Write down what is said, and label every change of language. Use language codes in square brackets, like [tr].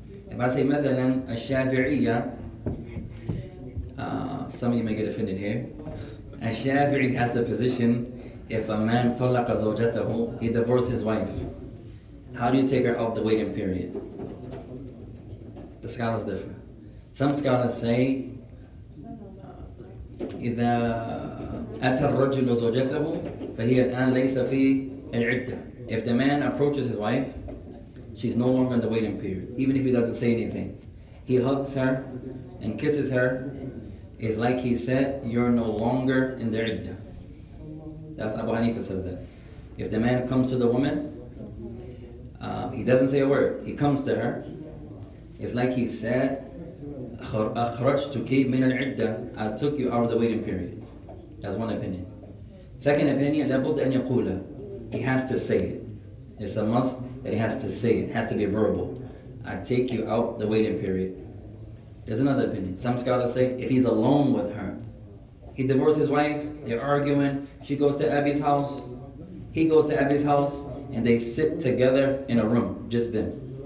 [en] If I say, [ar] مثلاً, الشافعية, [en] some of you may get offended here. A Shafi'i has the position, if a man [ar] طلق زوجته, [en] he divorced his wife. How do you take her out the waiting period? The scholars differ. Some scholars say, [ar] إذا أتى الرجل زوجته, فهي الآن ليس في العدة. [en] If the man approaches his wife, she's no longer in the waiting period, even if he doesn't say anything. He hugs her and kisses her. It's like he said, you're no longer in the iddah. That's Abu Hanifa says that. If the man comes to the woman, he doesn't say a word. He comes to her. It's like he said, [ar] أخرجتكِ من العدة. [en] I took you out of the waiting period. That's one opinion. Second opinion, [ar] لابد أن يقول. [en] He has to say it. It's a must. That he has to say it, has to be verbal. I take you out the waiting period. There's another opinion. Some scholars say if he's alone with her, he divorced his wife, they're arguing, she goes to Abby's house, he goes to Abby's house, and they sit together in a room, just them.